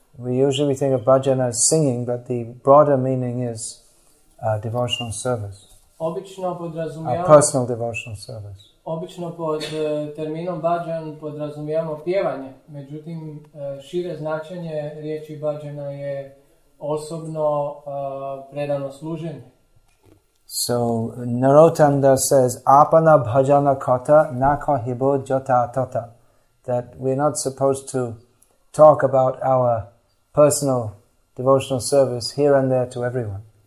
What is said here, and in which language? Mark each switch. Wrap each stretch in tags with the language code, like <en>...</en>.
<en>We usually think of bhajan as singing, but the broader meaning is devotional service.</en> <hr>Obično podrazumijamo</hr> <en>personal devotional service.</en> <hr>Obično pod terminom bhajan podrazumijamo pjevanje. Međutim, šire značenje riječi bhajana je osobno predano služenje.</hr> <en>So Narottam Das says apana bhajana kata na kahibo jata tata, that we're not supposed to talk about our personal devotional service here and there to everyone.</en>